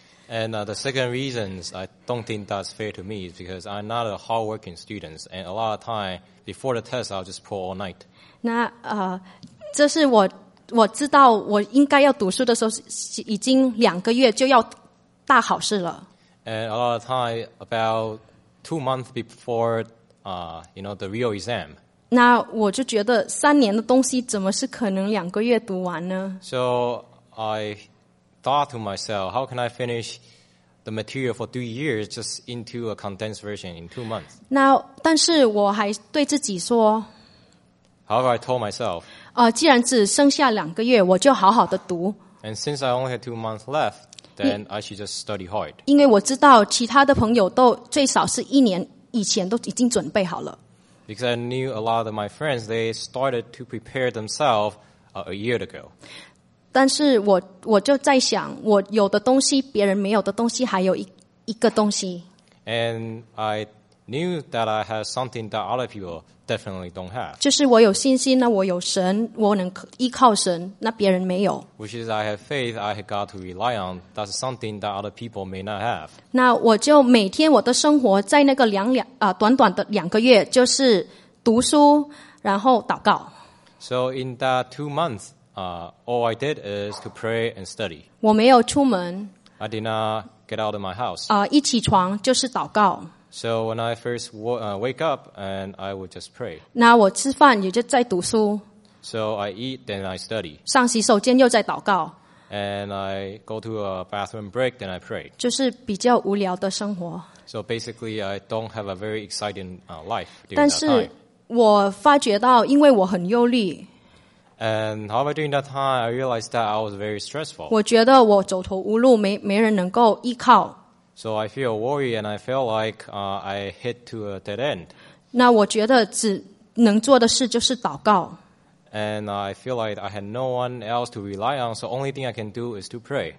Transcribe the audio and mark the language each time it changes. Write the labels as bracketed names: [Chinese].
[English] And the second reason I don't think that's fair to me is because I'm not a hardworking student, and a lot of time before the test I'll just pull all night. [Chinese] 那这是我知道我应该要读书的时候已经两个月就要大考试了。 [English] And a lot of time about 2 months before the real exam. [Chinese] 那我就觉得三年的东西怎么是可能两个月读完呢？ [English] So I thought to myself, how can I finish the material for 2 years just into a condensed version in 2 months? [Chinese] 那但是我还对自己说 [English] ，However, I told myself, [Chinese] 既然只剩下两个月，我就好好的读。 [English] And since I only had 2 months left, then I should just study hard. [Chinese] 因为我知道其他的朋友都最少是一年以前都已经准备好了。 [English] Because I knew a lot of my friends, they started to prepare themselves a year ago. [Chinese] 但是我就在想，我有的东西别人没有的东西，还有一个东西。 [English] And I knew that I had something that other people definitely don't have. [Chinese] 就是我有信心，那我有神，我能依靠神，那别人没有。 [English] Which is I have faith, I have God to rely on. That's something that other people may not have. [Chinese] 那我就每天我的生活在那个短短的两个月，就是读书，然后祷告。 [English] So in that 2 months. All I did is to pray and study. [Chinese] 我没有出门。 [English] I did not get out of my house. [Chinese] 一起床就是祷告。 [English] So when I first wake up, and I would just pray. [Chinese] 那我吃饭也就在读书。 [English] So I eat, then I study. [Chinese] 上洗手间又在祷告。 [English] And I go to a bathroom break, then I pray. [Chinese] 就是比较无聊的生活。 [English] So basically, I don't have a very exciting life during that time. [Chinese] 但是我发觉到，因为我很忧虑。 [English] And however, during that time, I realized that I was very stressful. [Chinese] 我觉得我走投无路，没人能够依靠。 [English] So I feel worried, and I feel like I hit to a dead end. [Chinese] 那我觉得只能做的事就是祷告。 [English] And I feel like I had no one else to rely on, so only thing I can do is to pray.